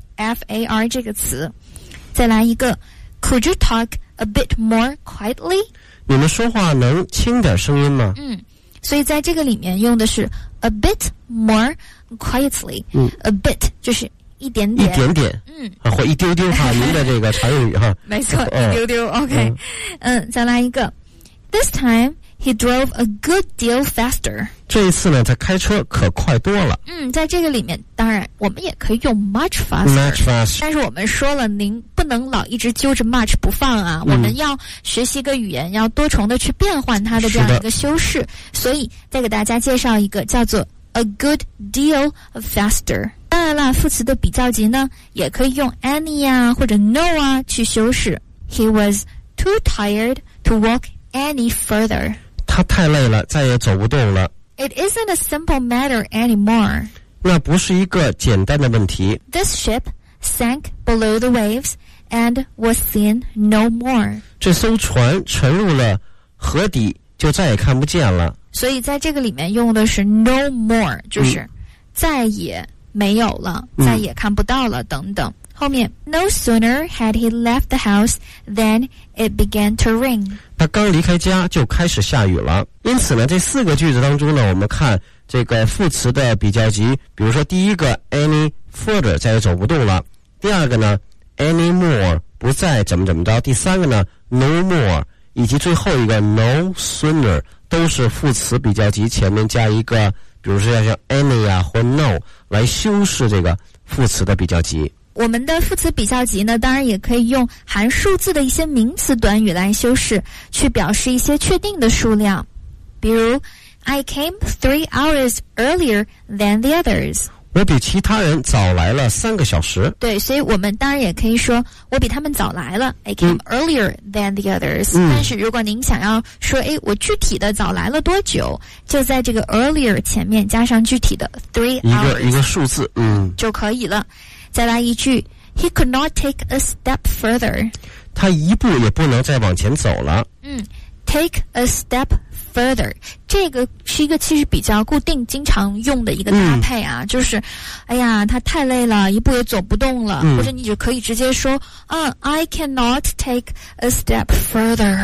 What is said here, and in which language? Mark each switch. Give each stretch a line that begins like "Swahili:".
English: F-A-R
Chinese: 这个词。再来一个。
English: Could you talk a bit more quietly?
Chinese: 你们说话能轻点声音吗？所以在这个里面用的是
English: a bit more quietly。 A bit
Chinese: 就是一点点。一点点。或一丢丢哈，您的这个常用语哈。没错，一丢丢。再来一个。
English: This time, he drove a good deal faster.
Chinese: 这一次呢，他开车可快多了。在这个里面，当然我们也可以用
English: much faster。 much faster。
Chinese: 但是我们说了，您不能老一直揪着 much 不放啊。我们要学习一个语言，要多重的去变换它的这样一个修饰。所以再给大家介绍一个叫做
English: a good deal faster。
Chinese: 当然了，副词的比较级呢也可以用 any 啊或者 no 啊去修饰。
English: He was too tired to walk any further。
Chinese: 他太累了再也走不动了。
English: It isn't a simple matter anymore。
Chinese: 那不是一个简单的问题。
English: This ship sank below the waves and was seen no more。
Chinese: 这艘船沉入了河底就再也看不见了。所以在这个里面用的是 no more， 就是再也没有了，再也看不到了等等。后面
English: No sooner had he left the house than it began to rain。
Chinese: 他刚离开家就开始下雨了。因此呢这四个句子当中呢我们看这个副词的比较级，比如说第一个 any further 再也走不动了，第二个呢 any more 不再怎么怎么着，第三个呢 no more 以及最后一个 no sooner 都是副词比较级，前面加一个比如说要像 any 啊或 no 来修饰这个副词的比较级。我们的副词比较级呢，当然也可以用含数字的一些名词短语来修饰，去表示一些确定的数量，比如
English: I came 3 hours earlier than the others，
Chinese: 我比其他人早来了3个小时。对，所以我们当然也可以说我比他们早来了，
English: I came earlier than the others、嗯、
Chinese: 但是如果您想要说诶，我具体的早来了多久，就在这个 earlier 前面加上具体的 3 hours，一个数字嗯，就可以了。再来一句
English: He could not take a step further，
Chinese: 他一步也不能再往前走了。嗯，
English: Take a step further，
Chinese: 这个是一个其实比较固定经常用的一个搭配啊、嗯、就是哎呀他太累了，一步也走不动了、嗯、或者你就可以直接说、
English: I cannot take a step further、